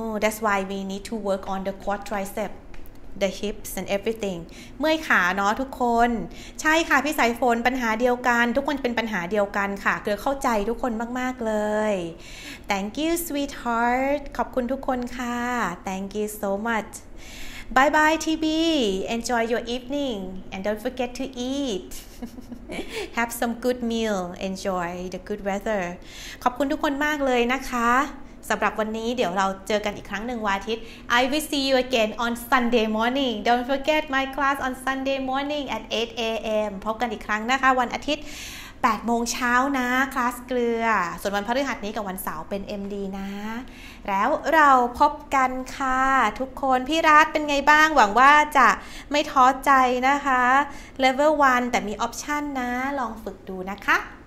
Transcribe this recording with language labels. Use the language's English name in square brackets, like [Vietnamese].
[English] That's why we need to work on the quadricep, the hips and everything. [Thai] เมื่อยขาเนาะทุกคนใช่ค่ะพี่สายฝนปัญหาเดียวกันทุกคนเป็นปัญหาเดียวกันค่ะเกลือเข้าใจทุกคนมากๆเลย [English] Thank you, sweetheart. [Thai] ขอบคุณทุกคนค่ะ [English] Thank you so much. Bye bye, TB. Enjoy your evening and don't forget to eat. Have some good meal. Enjoy the good weather. [Thai] ขอบคุณทุกคนมากเลยนะคะสำหรับวันนี้เดี๋ยวเราเจอกันอีกครั้งหนึ่งวันอาทิตย์ [English] I will see you again on Sunday morning. Don't forget my class on Sunday morning at 8 a.m. [Thai] พบกันอีกครั้งนะคะวันอาทิตย์8โมงเช้านะคลาสเกลือส่วนวันพฤหัสนี้กับวันเสาร์เป็น MD นะแล้วเราพบกันค่ะทุกคนพี่รัฐเป็นไงบ้างหวังว่าจะไม่ท้อใจนะคะ Level 1แต่มีออปชันนะลองฝึกดูนะคะ